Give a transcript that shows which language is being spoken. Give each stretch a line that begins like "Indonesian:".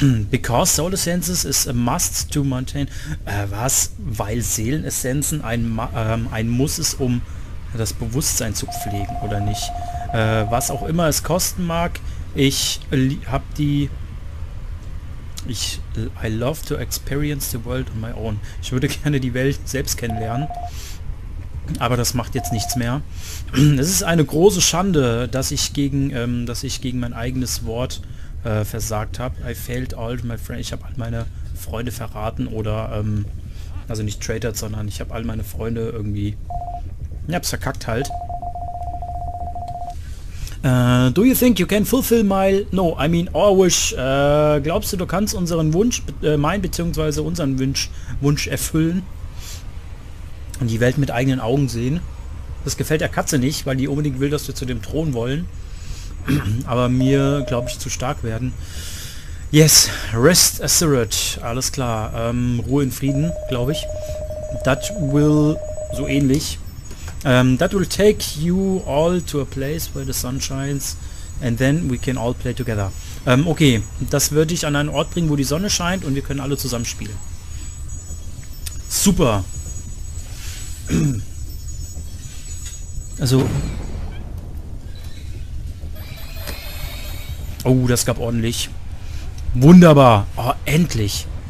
English: Because Soul Essences is a must to maintain...
German: was? Weil Seelenessenzen ein Muss ist, um das Bewusstsein zu pflegen, oder nicht? Was auch immer es kosten mag, ich hab die...
English: I love to experience the world on my own.
German: Ich würde gerne die Welt selbst kennenlernen. Aber das macht jetzt nichts mehr. Es ist eine große Schande, dass ich gegen mein eigenes Wort versagt habe.
English: I failed all my friends.
German: Ich habe all meine Freunde verraten oder also nicht traitored, sondern ich habe all meine Freunde irgendwie. Ich hab's verkackt halt.
English: Do you think you can fulfill my... No, I mean our wish.
German: Glaubst du, du kannst unseren Wunsch, mein bzw. unseren Wunsch erfüllen? Und die Welt mit eigenen Augen sehen? Das gefällt der Katze nicht, weil die unbedingt will, dass wir zu dem Thron wollen. Aber mir, glaube ich, zu stark werden.
English: Yes, rest assured.
German: Alles klar. Ruhe in Frieden, glaube ich.
English: That will...
German: So ähnlich...
English: that will take you all to a place where the sun shines and then we can all play together.
German: Okay, das würde ich an einen Ort bringen, wo die Sonne scheint und wir können alle zusammen spielen. Super. Also. Oh, das gab ordentlich. Wunderbar. Oh, endlich.